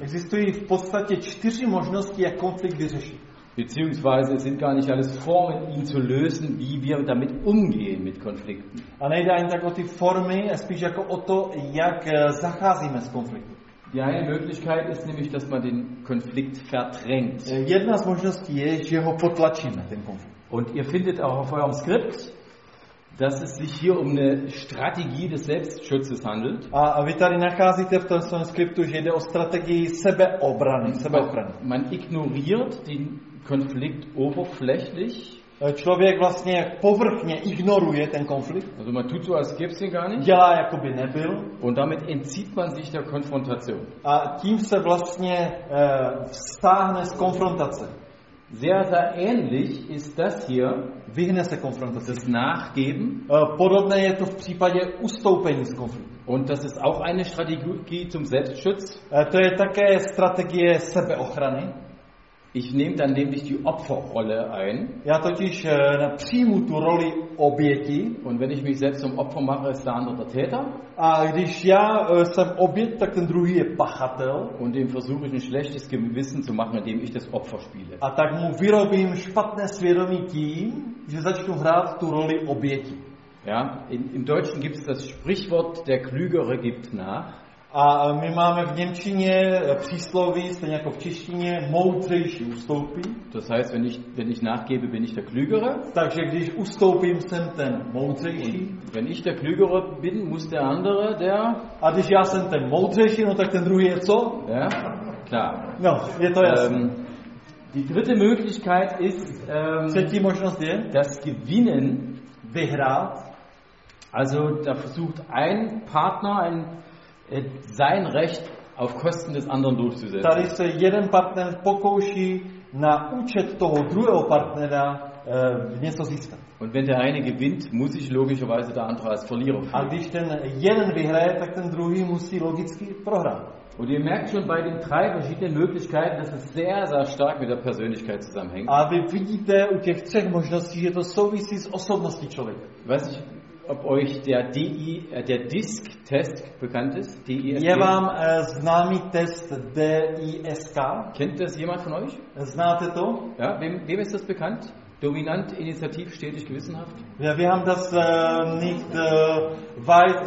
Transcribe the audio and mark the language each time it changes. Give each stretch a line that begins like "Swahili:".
Czech: Existují v podstatě 4 možnosti, jak konflikt vyřešit.
German: Beziehungsweise es sind gar nicht alles Formen, ihn zu lösen, wie wir damit umgehen mit Konflikten.
Czech: A nejde ani tak o ty formy, spíš jako o to, jak zacházíme s konfliktem.
German: Die eine Möglichkeit ist nämlich, dass man den Konflikt verdrängt.
Czech: Jedna z možností je, že ho potlačíme, ten konflikt.
German: Und ihr findet auch auf eurem Skript, dass es sich hier um eine Strategie des Selbstschutzes handelt.
Czech: A vy tady nacházíte v tom svém skriptu, že jde o strategii sebeobrany, sebeobrany.
German: Man ignoriert den Konflikt oberflächlich.
Czech: Člověk vlastně povrchně ignoruje ten konflikt.
German: Also man tut so, als gäbe es ihn gar nicht.
Czech: Dělá, jako by nebyl.
German: Und damit entzieht man sich der Konfrontation.
Czech: A tím se vlastně vztáhne z konfrontace.
German: Sehr, sehr ähnlich ist das hier.
Czech: Vyhne se konfrontace
German: s nachgeben.
Czech: Podobné je to v případě ustoupení z konfliktu.
German: Und das ist auch eine Strategie zum Selbstschutz.
Czech: To je také strategie sebeochrany.
German: Ich nehme dann nämlich die Opferrolle ein.
Czech: Já totiž přijmu tu roli oběti.
German: Und wenn ich mich selbst zum Opfer mache, ist der andere der Täter.
Czech: A když já jsem oběť, tak ten druhý je pachatel.
German: Und dem versuche ich ein schlechtes Gewissen zu machen, indem ich das Opfer spiele.
Czech: A tak mu vyrobím špatné svědomí tím, že začnu hrát tu roli oběti.
German: Ja, im Deutschen gibt es das Sprichwort, der Klügere gibt nach.
Czech: A my máme v němčině přísloví, stejně jako v češtině, moudřejší ustoupí.
German: Das heißt, wenn ich nachgebe, bin ich der Klügere.
Czech: Takže když ustoupím, jsem ten moudřejší.
German: Wenn ich der Klügere bin, muss der andere, der...
Czech: A když já jsem ten moudřejší, no tak ten druhý je co?
German: Ja, klar.
Czech: No, je to jasné.
German: Die dritte Möglichkeit ist,
Czech: třetí možnost je,
German: das Gewinnen
Czech: vyhrát.
German: Also, da versucht ein Partner, ein sein Recht auf Kosten des anderen durchzusetzen.
Czech: Tady se jeden partner pokouší na účet toho druhého partnera něco získat.
German: Und wenn der eine gewinnt, muss sich logischerweise der andere als Verlierer fühlen.
Czech: A když ten jeden vyhraje, tak ten druhý musí logicky prohrát.
German: Und ihr merkt schon bei den drei verschiedenen Möglichkeiten, dass es sehr, sehr stark mit der Persönlichkeit zusammenhängt.
Czech: A vy vidíte u těch třech možností, že to souvisí s osobností člověka.
German: Weiß ich, ob euch der DISC-Test bekannt ist?
Czech: DISC. Je vám známý test DISC?
German: Kennt das jemand von euch?
Czech: Znáte to?
German: Ja, wem ist das bekannt? Dominant, initiativ, stetig, gewissenhaft? Ja, wir haben das nicht weit...